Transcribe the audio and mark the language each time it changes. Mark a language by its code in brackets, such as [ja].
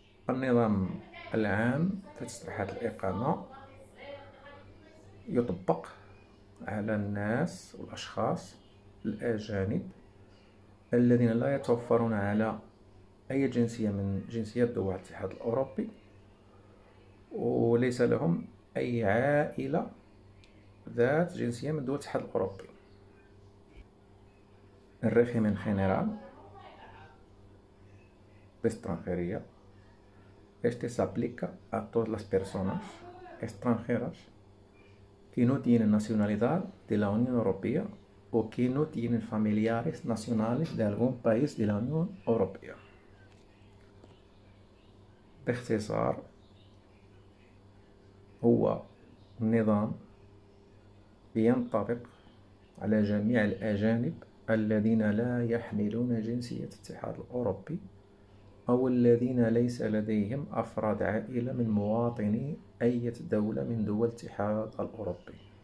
[ar] النظام العام في تصريحات الإقامة يطبق على الناس والأشخاص الأجانب الذين لا يتوفرون على أي جنسية من جنسيات دول الاتحاد الأوروبي وليس لهم أي عائلة ذات جنسية من دول الاتحاد الأوروبي. [es] الريخيمين خينيرال بإستخرارية este se aplica a todas las personas extranjeras que no tienen nacionalidad de la Unión Europea o que no tienen familiares nacionales de algún país de la Unión Europea. [ar] باختصار هو نظام ينطبق على جميع الأجانب الذين لا يحملون جنسية الاتحاد الأوروبي أو الذين ليس لديهم أفراد عائلة من مواطني أي دولة من دول الاتحاد الأوروبي.